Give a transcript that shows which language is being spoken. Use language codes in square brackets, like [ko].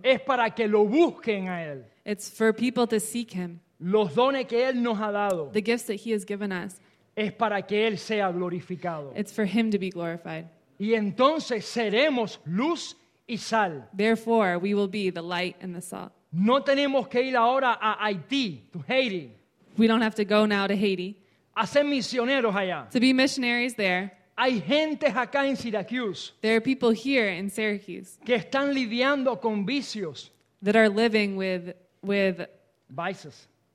[es] Es para que lo busquen a Él. [en] It's for people to seek Him. [es] Los dones que Él nos ha dado. [en] The gifts that He has given us. [es] Es para que Él sea glorificado. [en] It's for Him to be glorified. [es] Y entonces seremos luz y sal. [en] Therefore, we will be the light and the salt. [es] No tenemos que ir ahora a Haití, [en] to Haiti. We don't have to go now to Haiti. [es] A ser misioneros allá. [en] To be missionaries there. [es] Hay gente acá en Syracuse. [en] There are people here in Syracuse. [es] Que están lidiando con vicios. [en] That are living with vices.